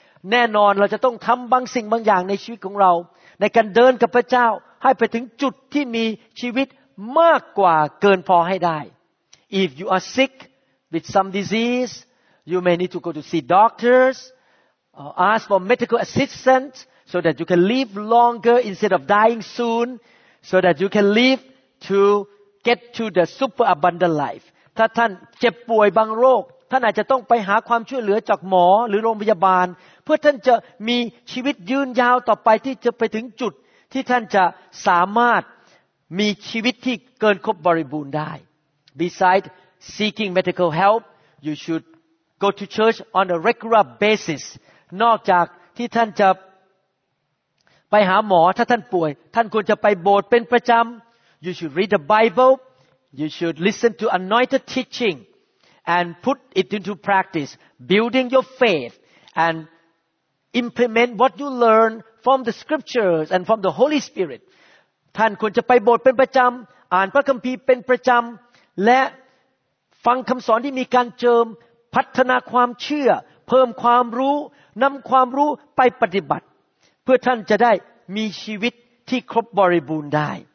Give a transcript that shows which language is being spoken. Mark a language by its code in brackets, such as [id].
[th] แน่นอนเราจะต้องทำบางสิ่งบางอย่างในชีวิตของเราในการเดินกับพระเจ้าให้ไปถึงจุดที่มีชีวิตมากกว่าเกินพอให้ได้ [en] If you are sick with some disease, you may need to go to see doctors, ask for medical assistance. So that you can live longer instead of dying soon, so that you can live to get to the super abundant life. [th] ถ้าท่านเจ็บป่วยบางโรคท่านอาจจะต้องไปหาความช่วยเหลือจากหมอหรือโรงพยาบาลเพื่อท่านจะมีชีวิตยืนยาวต่อไปที่จะไปถึงจุดที่ท่านจะสามารถมีชีวิตที่เกินครบบริบูรณ์ได้ [en] Besides seeking medical help, you should go to church on a regular basis. [th] นอกจากที่ท่านจะไปหาหมอถ้าท่านป่วยท่านควรจะไปโบสถ์เป็นประจำ [en] You should read the Bible You should listen to anointed teaching and put it into practice, building your faith and implement what you learn from the scriptures and from the Holy Spirit. [th] ท่านควรจะไปโบสถ์เป็นประจำอ่านพระคัมภีร์เป็นประจำและฟังคำสอนที่มีการเจิมพัฒนาความเชื่อเพิ่มความรู้นำความรู้ไปปฏิบัติเพื่อท่านจะได้มีชีวิตที่ครบบริบูรณ์ได้